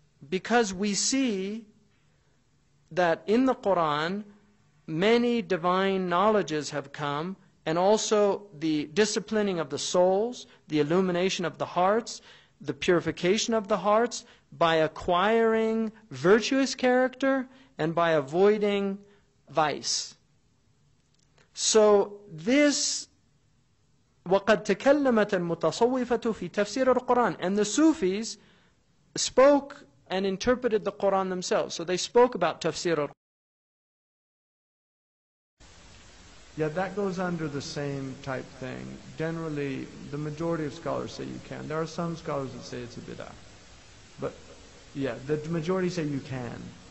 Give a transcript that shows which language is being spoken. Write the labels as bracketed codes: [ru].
[en] Because we see that in the Qur'an, many divine knowledges have come, and also the disciplining of the souls, the illumination of the hearts, the purification of the hearts, by acquiring virtuous character and by avoiding vice. So this, [ar] وَقَدْ تَكَلَّمَتَ الْمُتَصَوِّفَةُ فِي تَفْسِيرُ الْقُرْآنِ. [en] And the Sufis spoke and interpreted the Qur'an themselves. So they spoke about tafsir al-Qur'an. Yeah, that goes under the same type thing. Generally, the majority of scholars say you can. There are some scholars that say it's a bid'ah. But yeah, the majority say you can.